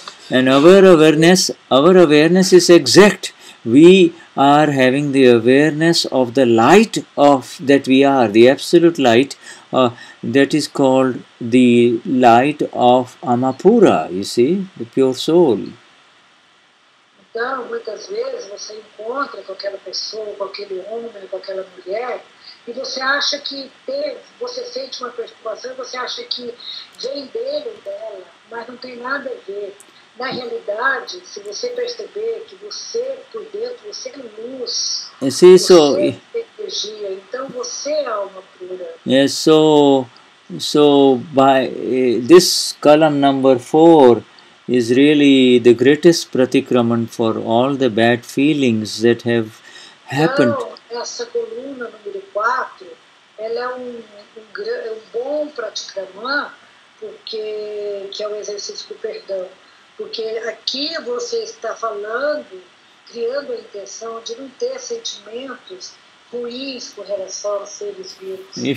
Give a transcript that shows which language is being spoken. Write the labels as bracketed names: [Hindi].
[English] And our awareness is exact. We are having the awareness of the light of that we are, the absolute light, that is called the light of Amapura, you see, the pure soul. [Portuguese] Então, muitas vezes você encontra com aquela pessoa, com aquele homem, com aquela mulher, e você acha que você sente uma perturbação, você acha que vem dele ou dela, mas não tem nada a ver. Na realidade, se você perceber que você, por dentro, você é luz, você é energia, então você é alma pura. [English] This column number 4 is really the greatest pratikraman for all the bad feelings that have happened. [Portuguese] Essa coluna número 4, ela é um bom pratikraman, que é o exercício do perdão. Porque aqui você está falando, criando a intenção de não ter sentimentos ruins com relação aos seres vivos.